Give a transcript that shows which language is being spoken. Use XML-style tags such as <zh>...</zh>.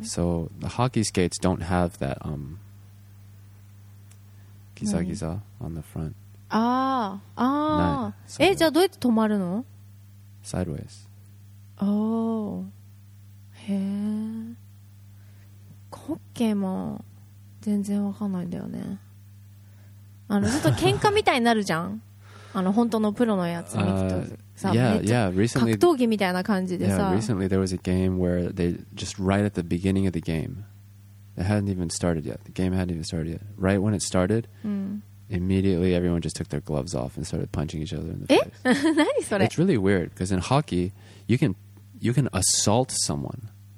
<en>So the hockey skates don't have that ギザギザ on the front.</en> <ja>ああ、え、じゃあどうやって止まるの？</ja> <en>Sideways。おー、へえ。</en> <ja>ホッケーも全然わかんないんだよね。ちょっと喧嘩みたいになるじゃん。本当のプロのやつ見てさ、格闘技みたいな感じでさ。</ja> <en>Yeah, recently there was a game where they just right at the beginning of the game. It hadn't even started yet. The game hadn't even started yet. Right when it started、うん、 immediately everyone just took their gloves off and started punching each other in the face.</en> <ja>何それ?</ja> <en>It's really weird because in hockey, you can assault someone.</en>